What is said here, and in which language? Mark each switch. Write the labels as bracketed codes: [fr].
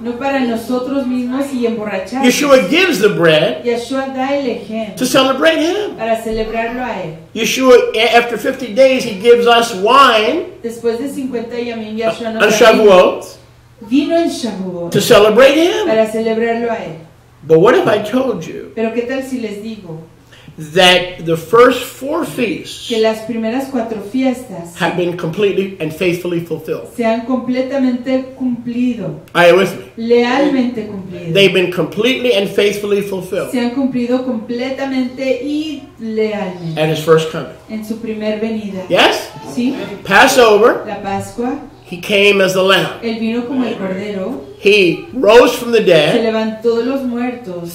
[es] No para nosotros mismos y emborracharnos. [en] Yeshua gives the bread. [es] Yeshua da el ejemplo. [en] To celebrate him. [es] Para celebrarlo a él. [en] Yeshua, after 50 days, he gives us wine. [es] Después de 50 días, Yeshua nos da vino. [en] On Shavuot. [es] Vino en Shavuot. [en] To celebrate him. [es] Para celebrarlo a él. [en] But what if I told you? [es] Pero qué tal si les digo? [en] That the first 4 feasts. [es] Que las primeras 4 fiestas. [en] Have been completely and faithfully fulfilled. [es] Se han completamente cumplido. [en] Are you with me? [es] Lealmente cumplido. [en] They've been completely and faithfully fulfilled. [es] Se han cumplido completamente y lealmente. [en] At his first coming. [es] En su primer venida. [en] Yes? [es] Sí. [en] Passover. [es] La Pascua. [en] He came as the Lamb. [es] Él vino como el Cordero. [en] He rose from the dead. [es] Se levantó de los muertos.